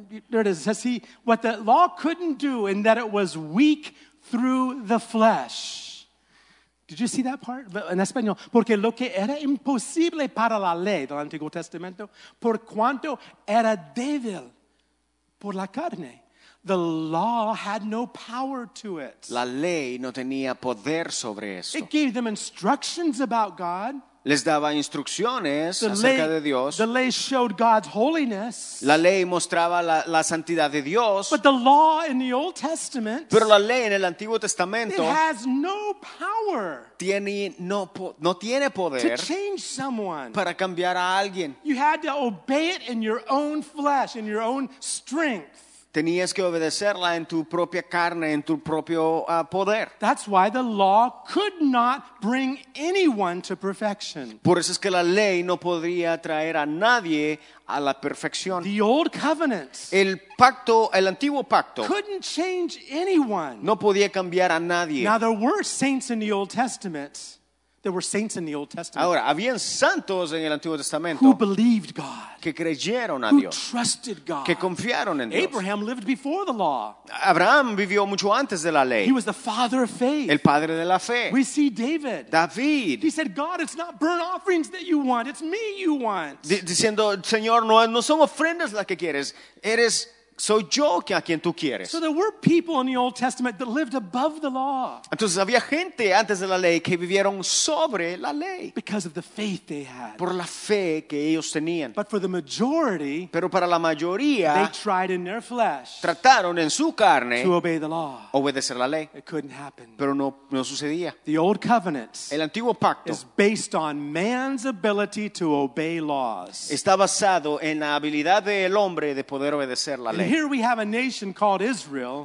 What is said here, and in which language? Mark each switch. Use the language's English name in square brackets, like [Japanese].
[English] There it is. It says he, what the law couldn't do in that it was weak through the flesh. Did you see that part? [Spanish] En español. Porque lo que era imposible para la ley del Antiguo Testamento, por cuanto era débil por la carne. [English] The law had no power to it. [Spanish] La ley no tenía poder sobre eso. [English] It gave them instructions about God. [Spanish] Les daba instrucciones acerca de Dios. [English] The law showed God's holiness. [Spanish] La ley mostraba la santidad de Dios. [English] But the law in the Old Testament. [Spanish] Pero la ley en el Antiguo Testamento. [English] It has no power. [Spanish] No tiene poder. [English] To change someone. [Spanish] Para cambiar a alguien. [English] You had to obey it in your own flesh, in your own strength. [Spanish] Tenías que obedecerla en tu propia carne, en tu propio poder. [English] That's why the law could not bring anyone to perfection. [Spanish] Por eso es que la ley no podría traer a nadie a la perfección. [English] The old covenant. [Spanish] El pacto, el antiguo pacto. [English] Couldn't change anyone. [Spanish] No podía cambiar a nadie. [English] Now there were saints in the Old Testament. There were saints in the Old Testament. [Spanish] Ahora, habían santos en el Antiguo Testamento. [English] Who believed God? [Spanish] Que creyeron a Dios. [English] Who trusted God? [Spanish] Que confiaron en Dios. [English] Abraham lived before the law. [Spanish] Abraham vivió mucho antes de la ley. [English] He was the father of faith. [Spanish] El padre de la fe. [English] We see David. [Spanish] David. [English] He said, "God, it's not burnt offerings that you want; it's me you want." [Spanish] Diciendo, Señor, no son ofrendas las que quieres. Eres soy yo a quien tú quieres. [English] So there were people in the Old Testament that lived above the law. [Spanish] Entonces había gente antes de la ley que vivieron sobre la ley. [English] Because of the faith they had. [Spanish] Por la fe que ellos tenían. [English] But for the majority, [Spanish] pero para la mayoría, [English] they tried in their flesh, [Spanish] trataron en su carne, [English] to obey the law. [Spanish] Obedecer la ley. [English] It couldn't happen. [Spanish] Pero no sucedía. [English] The old covenant, [Spanish] el antiguo pacto, [English] is based on man's ability to obey laws. [Spanish] Está basado en la habilidad del hombre de poder obedecer la ley. [English] And here we have a nation called Israel.